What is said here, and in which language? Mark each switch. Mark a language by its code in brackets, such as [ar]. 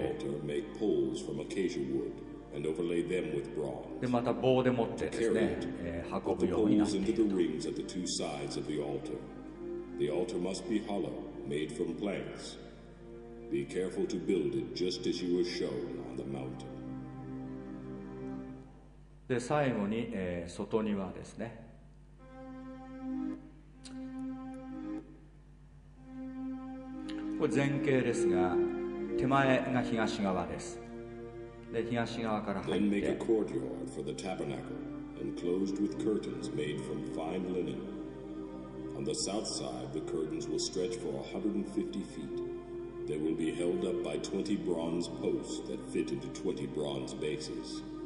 [en] altar, make poles from acacia wood and overlay them with bronze. [ja] で、また棒で持ってですね、運ぶようになっていると。 [en] Put the poles into the rings at the two sides of the altar. The altar must be hollow, made from planks. Be careful to build it just as you were shown on the mountain. [ja] で、最後に、外庭ですね。これ前傾ですが、手前が東側です。で、東側から入って、 [en] courtyard for the tabernacle, enclosed with curtains made from fine linen. On the south side, the curtains will stretch for 150 feet. They will be held up by 20 bronze posts that fit into 20 bronze bases.